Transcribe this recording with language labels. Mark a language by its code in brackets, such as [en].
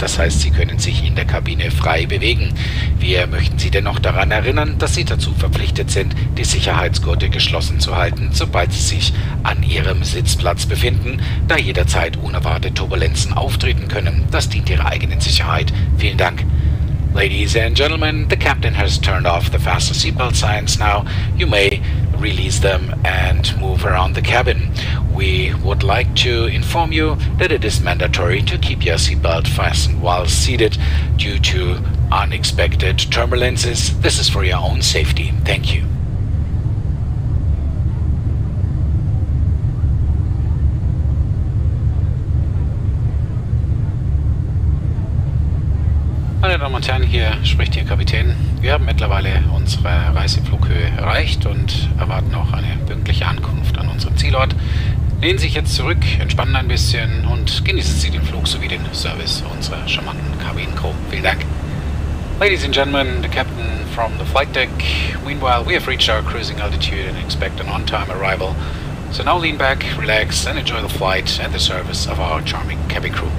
[de] Das heißt, Sie können sich in der Kabine frei bewegen. Wir möchten Sie dennoch daran erinnern, dass Sie dazu verpflichtet sind, die Sicherheitsgurte geschlossen zu halten, sobald Sie sich an Ihrem Sitzplatz befinden, da jederzeit unerwartete Turbulenzen auftreten können. Das dient Ihrer eigenen Sicherheit. Vielen Dank. [en] Ladies and gentlemen, the captain has turned off the fasten seatbelt signs now. You may release them and move around the cabin. We would like to inform you that it is mandatory to keep your seatbelt fastened while seated due to unexpected turbulences. This is for your own safety. Thank you. [de] Meine Damen und Herren, hier spricht Ihr Kapitän. Wir haben mittlerweile unsere Reiseflughöhe erreicht und erwarten auch eine pünktliche Ankunft an unserem Zielort. Lehnen Sie sich jetzt zurück, entspannen ein bisschen und genießen Sie den Flug sowie den Service unserer charmanten Kabinencrew. Vielen Dank. [en] Ladies and gentlemen, the captain from the flight deck. Meanwhile, we have reached our cruising altitude and expect an on-time arrival. So now lean back, relax and enjoy the flight and the service of our charming cabin crew.